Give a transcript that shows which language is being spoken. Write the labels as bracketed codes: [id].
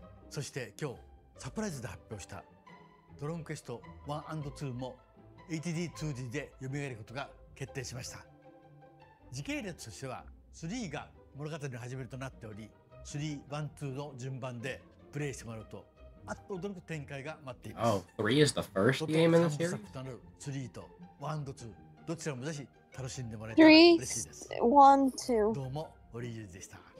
[ja] そして今日、サプライズで発表したドラゴンクエスト 1&2 も HD2D で読み上げることが決定しました。時系列としては、3が物語の始めとなっており、3、1、2の順番でプレイしてもらうと、 [en] Oh, 3 is the first game in the series? [ja] 3 と 1 と 2 どちらもぜひ楽しんでもらえたら嬉しいです。 3, 1, 2どうも、堀井雄二でした。